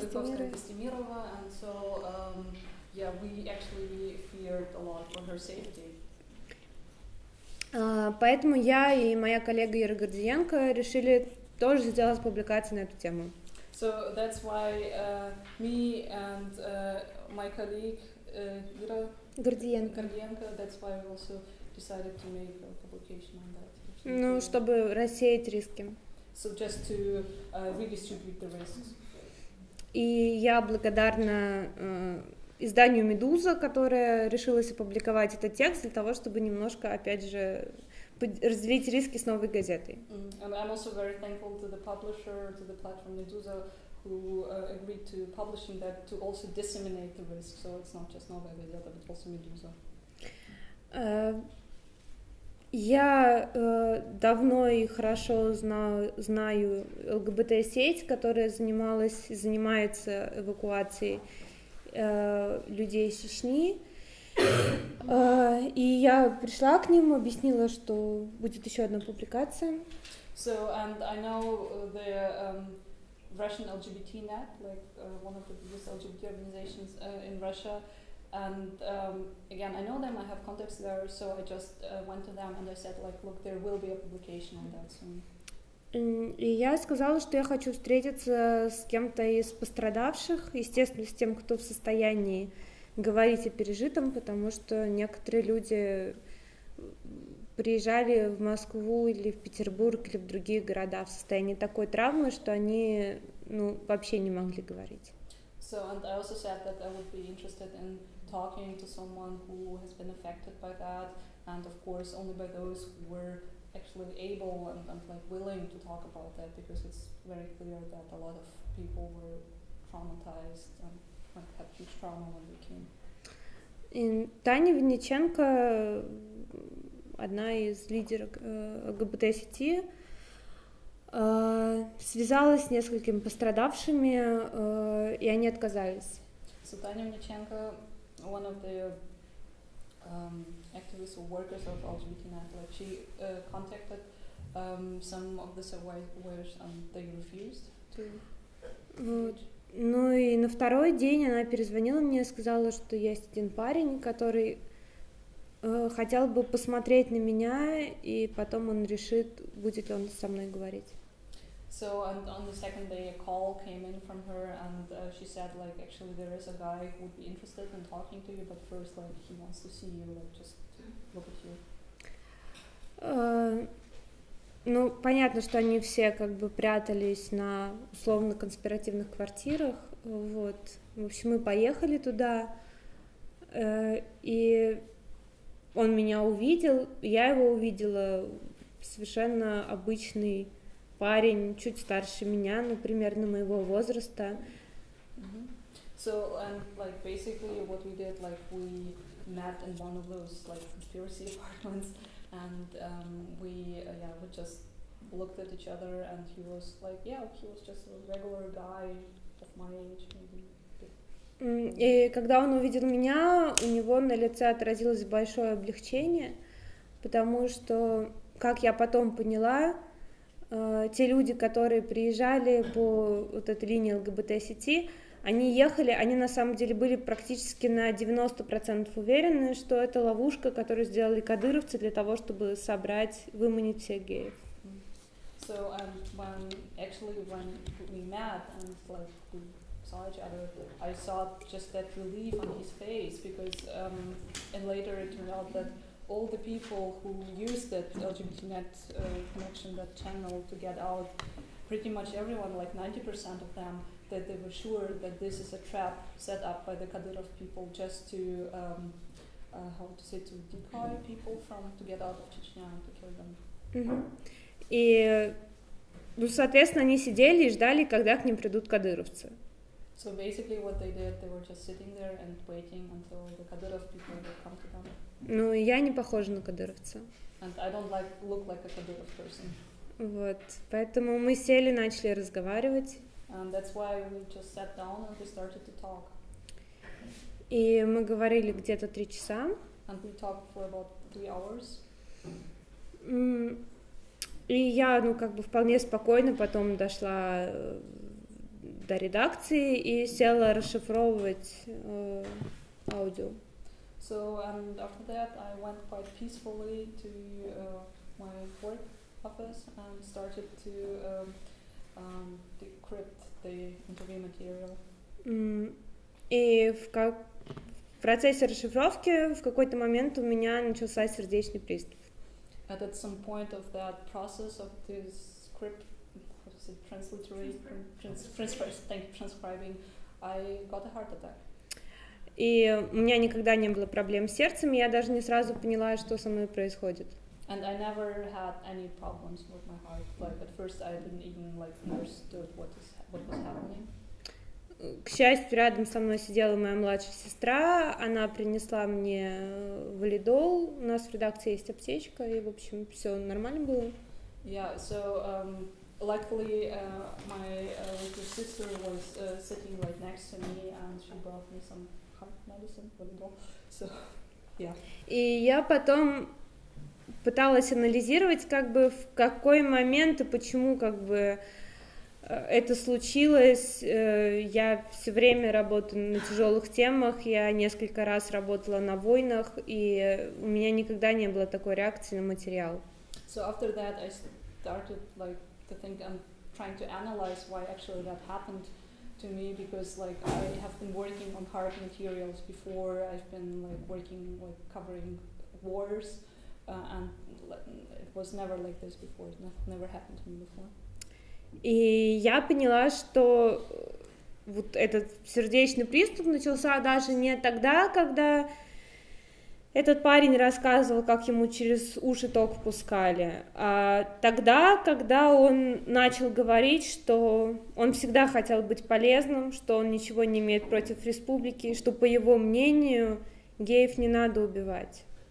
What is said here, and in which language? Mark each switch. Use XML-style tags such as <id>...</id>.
<en>Политковская Эстемирова, and so Yeah, we actually we feared a lot for her safety.</en> <ru>Поэтому я и моя коллега Ира Гордиенко решили тоже сделать публикацию на эту тему.</ru> <en>So that's why me and my colleague Ира Гордиенко, that's why we also decided to make a publication on that.</en> <ru>Ну, чтобы рассеять риски.</ru> <en>So just to redistribute the risks.</en> <ru>И я благодарна изданию «Медуза», которая решилась опубликовать этот текст для того, чтобы немножко, опять же, разделить риски с «Новой газетой».</ru> <en>And I'm also very thankful to the publisher, to the platform «Медуза», who agreed to publishing that, to also disseminate the risk, so it's not just «Новая газета», but also «Медуза».</en> <ru>Я давно и хорошо знаю ЛГБТ-сеть, которая занимается эвакуацией людей из Чечни. И я пришла к ним, объяснила, что будет еще одна публикация.</ru> <en>So, and I know the Russian LGBT net, like one of the biggest LGBT organizations in Russia. And again, I know them, I have contacts there, so I just went to them and I said, like, look, there will be a publication on that soon.</en> <ru>И я сказала, что я хочу встретиться с кем-то из пострадавших, естественно, с тем, кто в состоянии говорить о пережитом, потому что некоторые люди приезжали в Москву или в Петербург или в другие города в состоянии такой травмы, что они, ну, вообще не могли говорить.</ru> <en>So, and I also said that I would be interested in talking to someone who has been affected by that, and of course only by those who were actually able and like willing to talk about that, because it's very clear that a lot of people were traumatized and like had huge trauma when they came.</en> <ru>In Таня Винниченко, одна из лидеров ЛГБТ-сети, связалась с несколькими пострадавшими, и они отказались.</ru> <en>So Таня Винниченко, one of the activists or workers of LGBTNet, like she contacted some of the survivors and they refused to.</en> <ru>Вот. Ну и на второй день она перезвонила мне и сказала, что есть один парень, который хотел бы посмотреть на меня, и потом он решит, будет ли он со мной говорить.</ru> <en>So and on the second day a call came in from her and she said like actually there is a guy who would be interested in talking to you, but first like he wants to see you, like just look at you.</en> <ru>Ну, понятно, что они все как бы прятались на условно-конспиративных квартирах, вот. В общем, мы поехали туда, и он меня увидел, я его увидела, совершенно обычный парень, чуть старше меня, ну, примерно моего возраста. Mm-hmm.</ru> <en>So, and, like, basically what we did, like, we met in one of those, like, conspiracy apartments, and we, yeah, we just looked at each other, and he was like, yeah, he was just a regular guy of my age, maybe.</en> <ru>И когда он увидел меня, у него на лице отразилось большое облегчение, потому что, как я потом поняла, те люди, которые приезжали по вот этой линии ЛГБТ-сети, они ехали, они на самом деле были практически на 90% уверены, что это ловушка, которую сделали кадыровцы для того, чтобы собрать, выманить всех геев.</ru> <en>So, when, actually, when we met and like we saw each other, I saw just that relief on his face, because and later it turned out that all the people who used that LGBTNet connection, that channel to get out, pretty much everyone, like 90% of them, that they were sure that this is a trap set up by the Kadyrov people just to how to say, to decoy people from to get out of Chechnya and to kill them. Mm-hmm.</en> <ru>И, ну, соответственно, они сидели и ждали, когда к ним придут кадыровцы.</ru> <en>So basically what they did, they were just sitting there and waiting until the Kadyrov people would come to them.</en> <ru>Ну, я не похожа на кадыровца.</ru> <en>And I don't like look like a Kadyrov person.</en> <ru>Вот, поэтому мы сели, начали разговаривать.</ru> <en>And that's why we just sat down and we started to talk.</en> <ru>И мы говорили где-то 3 часа.</ru> <en>And we talked for about 3 hours.</en> <ru>И я, ну, как бы вполне спокойно потом дошла до редакции и села расшифровывать Claudio.</ru> <en>So and after that I went quite peacefully to my work office and started to decrypt the interview material.</en> <ru>И в процессе расшифровки в какой-то момент у меня начался сердечный приступ.</ru> <en>And at some point of that process of this script, what is it, transcribing, I got a heart attack.</en> <ru>И у меня никогда не было проблем с сердцем, я даже не сразу поняла, что со мной происходит.</ru> <en>And I never had any problems with my heart. Like at first, I didn't even like understood what was happening.</en> <ru>К счастью, рядом со мной сидела моя младшая сестра. Она принесла мне валидол. У нас в редакции есть аптечка, и в общем все нормально было.</ru> <en>Yeah, so luckily my little sister was sitting right next to me, and she brought me some heart medicine, валидол. So, yeah.</en> <ru>И я потом пыталась анализировать, как бы в какой момент и почему, как бы. Это случилось. Я все время работаю на тяжелых темах. Я несколько раз работала на войнах, и у меня никогда не было такой реакции на материал.</ru> <en>So after that, I started like to think and trying to analyze why actually that happened to me, because like I have been working on hard materials before. I've been like working with covering wars, and it was never like this before. Never happened to me before.</en> <ru>И я поняла, что вот этот сердечный приступ начался даже не тогда, когда этот парень рассказывал, как ему через уши ток впускали, а тогда, когда он начал говорить, что он всегда хотел быть полезным, что он ничего не имеет против республики, что, по его мнению, геев не надо убивать.</ru>